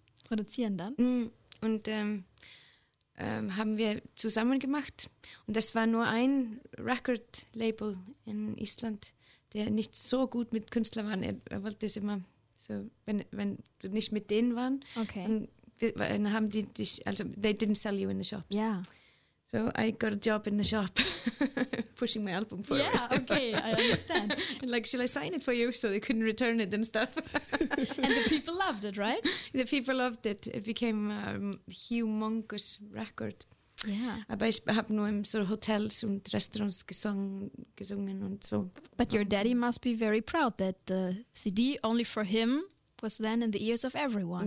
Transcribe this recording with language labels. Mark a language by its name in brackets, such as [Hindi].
[German] Produzieren dann? Und haben wir zusammen gemacht, und das war nur ein Record-Label in Island, der nicht so gut mit Künstlern war. Er wollte es immer so, wenn du nicht mit denen waren, [English] okay, [German] dann haben die dich, also [English] they didn't sell you in the shops. Yeah. So I got a job in the shop, pushing my album forward. Yeah, okay, I understand. And like, shall I sign it for you so they couldn't return it and stuff? And the people loved it, right? The people loved it. It became a humongous record. Yeah. [German] Aber ich habe nur in so Hotels und Restaurants gesungen und so. [English] But your daddy must be very proud that the CD only for him was then in the ears of everyone.